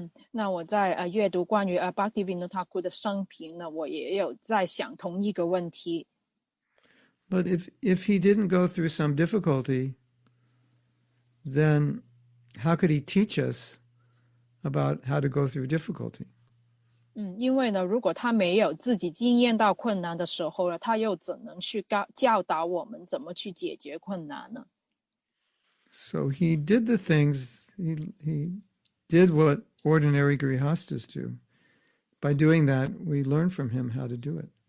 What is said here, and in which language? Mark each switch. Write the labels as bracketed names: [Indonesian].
[Chinese] 那我在阅读关于 Bhaktivinoda Thakur的生平呢，我也有在想同一个问题。 [English] But if he didn't go through some difficulty, then how could he teach us about how to go through difficulty? [Chinese] 因为呢，如果他没有自己经验到困难的时候了，他又怎能去教导我们怎么去解决困难呢？ [English] So he did the things, he did what ordinary grihasthas do. By doing that, we learn from him how to do it.